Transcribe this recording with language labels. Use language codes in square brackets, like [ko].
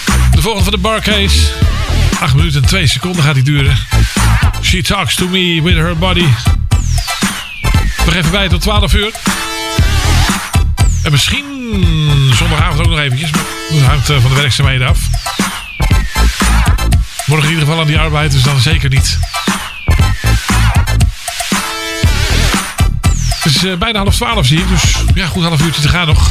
[nl] De volgende van de Barcase. 8 minuten en 2 seconden gaat hij duren. [en] She talks to me with her body. [nl] We geven bij tot 12 uur. En misschien zondagavond ook nog eventjes. Maar dat hangt van de werkzaamheden af. Morgen in ieder geval aan die arbeid, dus dan zeker niet. Het is bijna 11:30, zie ik. Dus ja, goed half uurtje te gaan nog.